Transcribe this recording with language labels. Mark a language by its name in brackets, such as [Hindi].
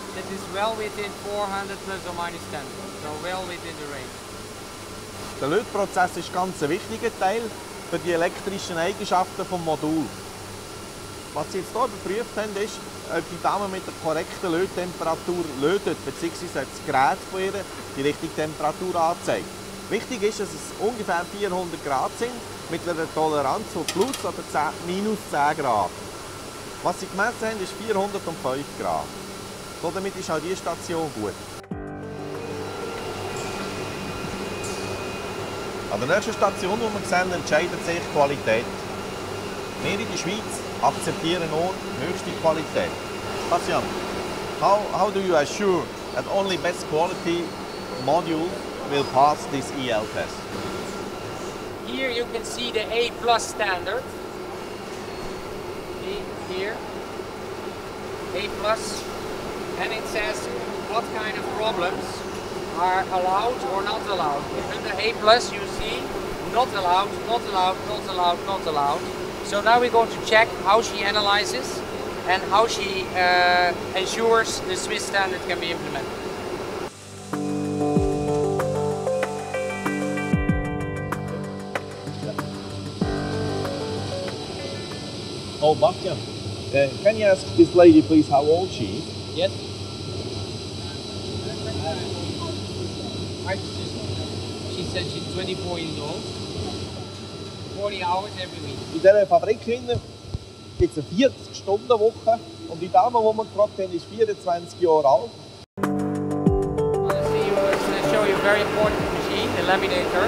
[English] That is well within 400 plus or minus 10. So well within the range. [German] Der Lötprozess ist ganz ein wichtiger Teil für die elektrischen Eigenschaften des Moduls. Was sie jetzt hier überprüft haben, ist, ob die Dame mit der korrekten Löttemperatur lötet, beziehungsweise ob das Gerät von ihr die richtige Temperatur anzeigt. Wichtig ist, dass es ungefähr 400 Grad sind, mit einer Toleranz von plus oder minus 10 Grad. Was sie gemessen haben, ist 405 Grad. Damit ist auch diese Station gut. An der nächsten Station, die wir sehen, entscheidet sich die Qualität. Wir in der Schweiz akzeptieren nur höchste Qualität. [English] Bastian, how do you assure that only best quality module will pass this EL test? Here you can see the A plus standard. Here, A plus, and it says what kind of problems are allowed or not allowed. In the A plus, you see, not allowed, not allowed, not allowed, not allowed. So now we're going to check how she analyzes and how she ensures the Swiss standard can be implemented. Oh, Bastian, can you ask this lady, please, how old she is? Yes. She said she's 24 years old, 40 hours every week. [German] In dieser Fabrik gibt es eine 40-Stunden-Woche und die Dame, die wir gerade haben, ist 24 Jahre alt. [English] I'll see you, show you a very important machine, the laminator.